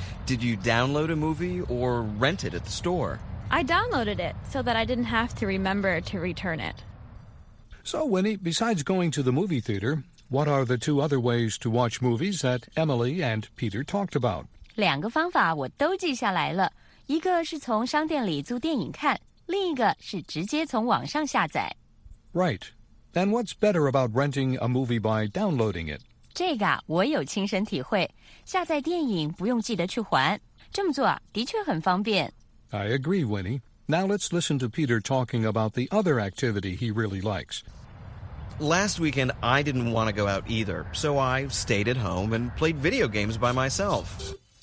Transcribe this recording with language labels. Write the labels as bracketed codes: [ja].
[en] Did you download a movie or rent it at the store? I downloaded it so that I didn't have to remember to return it. So, Winnie, besides going to the movie theater, what are the two other ways to watch movies that Emily and Peter talked about? [zh] 两个方法我都记下来了。一个是从商店里租电影看，另一个是直接从网上下载。 [en] Right. And what's better about renting a movie by downloading it? [zh] 这个我有亲身体会。下载电影不用记得去还。这么做的确很方便。 [en] I agree, Winnie. Now let's listen to Peter talking about the other activity he really likes. Last weekend, I didn't want to go out either, so I stayed at home and played video games by myself.